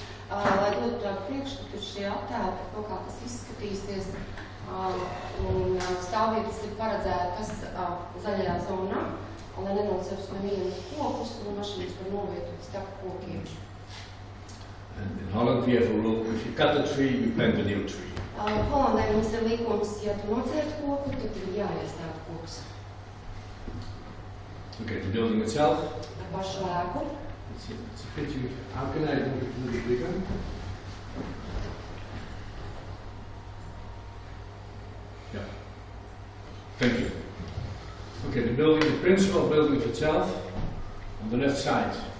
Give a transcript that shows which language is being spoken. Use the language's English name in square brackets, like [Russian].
[Latvian] lai dotu tādu priekšstatu šie attēli, kaut kā tas izskatīsies, un stāvvietas ir paredzētas zaļajā zonā, lai nenocerus nevienu kokus, un mašīnas var novietot starp kokiem. [English] And in Holland we have a rule, if you cut a tree, you plant a new tree. [Latvian] Holandai mums ir likums, ja tu nocerti koku, tad ir jāiestāt kokus. [English] Okay, the building itself. [Latvian] Ar pašu ēku. [English] It's a pity. How can I do it a little bigger? Yeah. Thank you. Okay, the building, the principal building itself, on the left side.